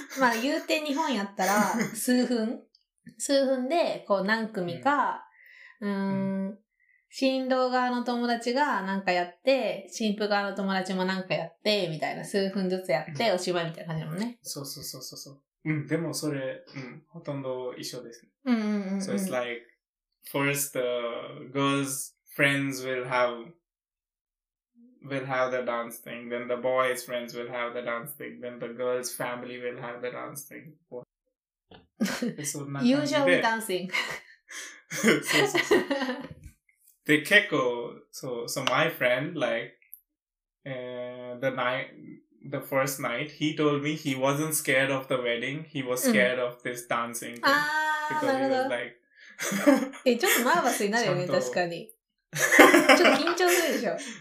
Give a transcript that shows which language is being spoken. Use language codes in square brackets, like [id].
[ja] まあ、言うて日本やったら、数分。数分で、こう何組か、新郎側の友達がなんかやって、新婦側の友達もなんかやって、みたいな、数分ずつやって、おしまいみたいな感じだもんね。そうそうそうそう。うん、でもそれ、うん、ほとんど一緒です。うんうんうん。 [en] So it's like, first the girls' friends will have the dance thing, then the boys' friends will have the dance thing, then the girls' family will have the dance thing. Usually dancing. [ja] そうそうそう。で、結構、 [en] so my friend, like,the night, the first night, he told me he wasn't scared of the wedding, he was scared of this dancing [ja] thing. ああ、なるほど。 [en] Like, [ja] え、ちょっとナーバスになるよね、確かに。ちょっと緊張するでしょ。